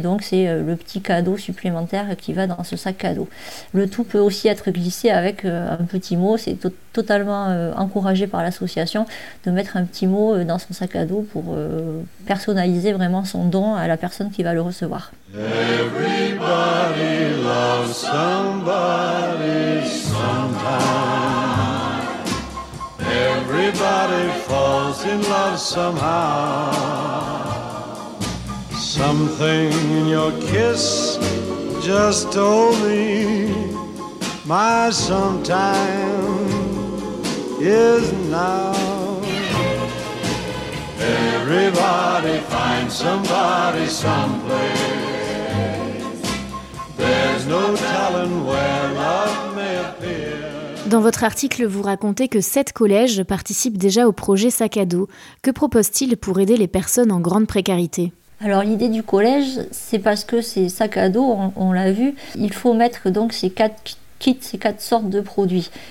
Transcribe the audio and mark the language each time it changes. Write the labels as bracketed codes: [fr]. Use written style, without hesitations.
[fr] Et donc, c'est le petit cadeau supplémentaire qui va dans ce sac cadeau. Le tout peut aussi être glissé avec un petit mot. C'est totalement encouragé par l'association de mettre un petit mot dans son sac cadeau pour personnaliser vraiment son don à la personne qui va le recevoir. [en] Everybody loves somebody sometime. Everybody falls in love somehow. Something in your kiss just told me my sometime is now. Everybody finds somebody someplace. There's no telling where love may appear. [fr] Dans votre article, vous racontez que 7 collèges participent déjà au projet Sac à dos. Que propose-t-il pour aider les personnes en grande précarité ? Alors l'idée du collège, c'est parce que ces sacs à dos, on l'a vu, il faut mettre donc ces 4 kits, ces 4 sortes de produits.